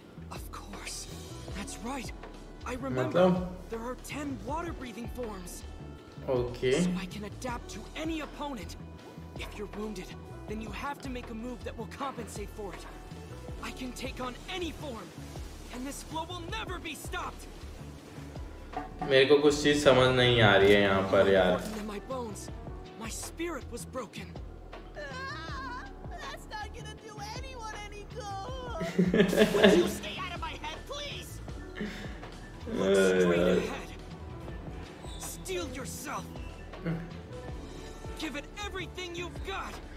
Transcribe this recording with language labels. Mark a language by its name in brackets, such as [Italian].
[English] Of course. That's right. I remember. Mata? There are 10 water breathing forms. Okay. So I can adapt to any opponent. If you're wounded, then you have to make a move that will compensate for it. I can take on any form, and this flow will never be stopped. [Hindi] मेरे को कुछ चीज समझ नहीं आ रही है यहाँ पर यार। [English] My bones, my spirit was broken. That's not gonna do anyone any good. Would you stay out of my head, please? Look straight ahead. Steel yourself. Give it everything you've got.